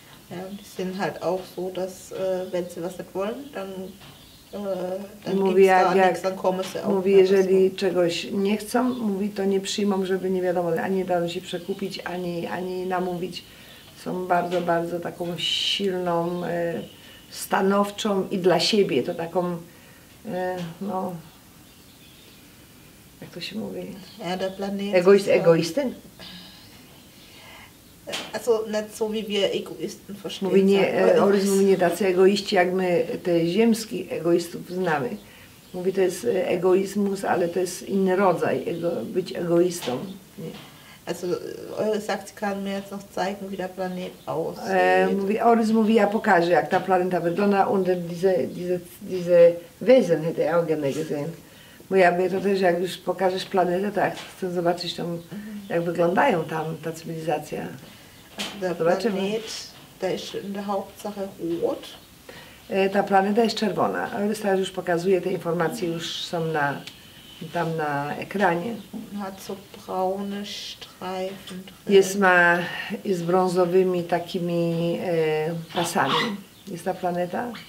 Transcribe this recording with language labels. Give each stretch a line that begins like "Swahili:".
German: Ja, die sind halt auch so, dass wenn sie was nicht wollen, dann gibt's da nichts, dann kommen sie auch.
Polish: Mówi, jeżeli czegoś nie chcą, mówi, to nie przyjmą, żeby nie wiadomo, ani dadzą się przekupić, ani namówić. Są bardzo, bardzo taką silną, stanowczą i dla siebie, to taką, no, jak to się mówi?
German: Ja, der Planet.
Polish: Egoistyn?
German: Also nicht so wie wir Egoisten verstehen.
Polish: Mówi nie, Oryz mówi nie tacy egoiści, jak my te ziemskich egoistów znamy. Mówi, to jest egoizmus, ale to jest inny rodzaj, być egoistą. Nie.
German: Also Oryz sagt, kann mir jetzt noch zeigen, wie der Planet aussieht.
Polish: Mówi, Oryz mówi, ja pokażę, jak ta planeta wygląda
German: unter diese Wesen, hätte ich auch gerne gesehen.
Polish: Bo ja mówię, to też jak już pokażesz planetę, to ja chcę zobaczyć tam, jak wyglądają tam ta cywilizacja. Zobaczymy.
German: Planet, der ist in der Hauptsache rot.
Polish: Ta planeta jest czerwona, ale teraz już pokazuje, te informacje już są na, tam na ekranie.
German: Hat so braune Streifen.
Polish: Jest brązowymi takimi pasami. Jest ta planeta.